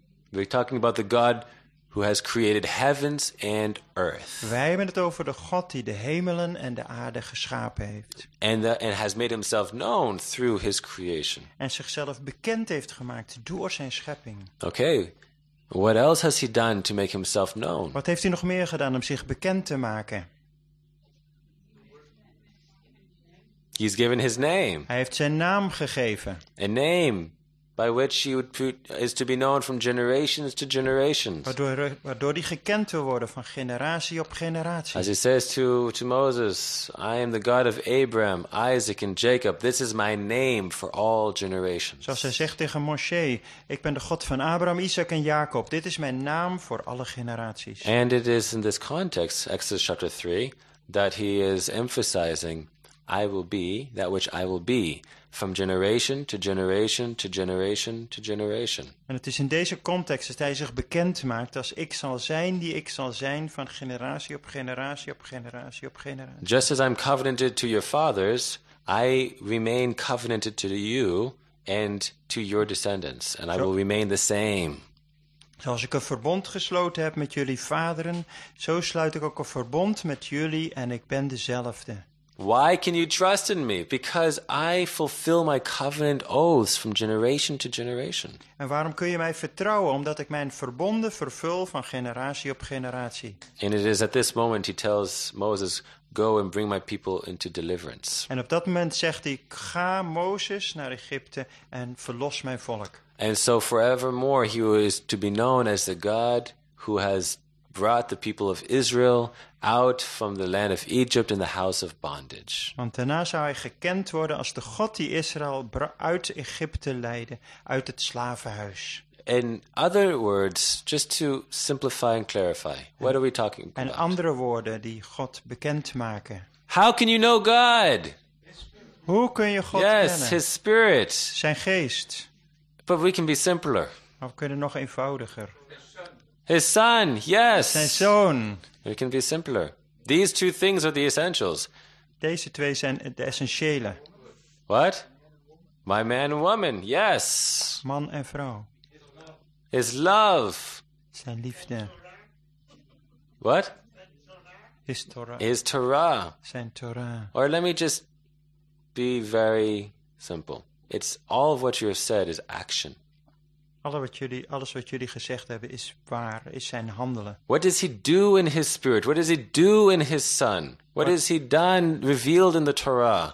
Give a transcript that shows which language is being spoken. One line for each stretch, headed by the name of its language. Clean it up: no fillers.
English: We're talking about the God who has created heavens and earth.
Dutch: Wij hebben het over de God die de hemelen en de aarde geschapen heeft.
English: And has made himself known through his creation.
Dutch: En zichzelf bekend heeft gemaakt door zijn schepping.
English: Okay. What else has he done to make himself known?
Dutch: Wat heeft hij nog meer gedaan om zich bekend te maken?
English: He's given his name.
Dutch: Hij heeft zijn naam gegeven.
English: A name by which he would is to be known from generations to generations.
Dutch: Waardoor die gekend wil worden van generatie op generatie.
English: As he says to Moses, I am the God of Abraham, Isaac and Jacob. This is my name for all generations.
Dutch: Zoals hij zegt tegen Moshe, ik ben de God van Abraham, Isaac en Jacob. Dit is mijn naam voor alle generaties.
English: And it is in this context, Exodus chapter 3, that he is emphasizing, I will be that which I will be. From generation to generation to generation to generation.
Dutch: En het is in deze context dat hij zich bekend maakt als ik zal zijn die ik zal zijn van generatie op generatie op generatie op generatie.
English: Just as I'm covenanted to your fathers, I remain covenanted to you and to your descendants. And I will remain the same.
Dutch: Zoals ik een verbond gesloten heb met jullie vaderen, zo sluit ik ook een verbond met jullie en ik ben dezelfde.
English: Why can you trust in me? Because I fulfill my covenant oaths from generation to generation.
Dutch: En waarom kun je mij vertrouwen? Omdat ik mijn verbonden vervul van generatie op generatie.
English: And it is at this moment he tells Moses, go and bring my people into deliverance.
Dutch: En op dat moment zegt hij, ga Mozes naar Egypte en verlos mijn volk.
English: And so forevermore he was to be known as the God who has brought the people of Israel out from the land of Egypt in the house of bondage.
Dutch: Want daarna zou hij gekend worden als de God die Israël uit Egypte leidde, uit het slavenhuis.
English: In other words, just to simplify and clarify, what are we talking about?
Dutch: En andere woorden die God bekend maken.
English: How can you know God?
Dutch: Hoe kun je God
English: kennen? Yes, his spirit.
Dutch: Zijn geest.
English: But we can be simpler.
Dutch: Maar we kunnen nog eenvoudiger.
English: His son, yes.
Dutch: Zijn zoon.
English: It can be simpler. These two things are the essentials.
Dutch: Deze twee zijn de essentiële.
English: What? My man and woman, yes.
Dutch: Man en vrouw.
English: His love.
Dutch: Zijn liefde.
English: What? His Torah. His Torah.
Dutch: Zijn Torah.
English: Or let me just be very simple. It's all of what you have said is action.
Dutch: Alles wat jullie gezegd hebben is waar, is zijn handelen.
English: What does he do in his spirit? What does he do in his son? What has he done revealed in the Torah?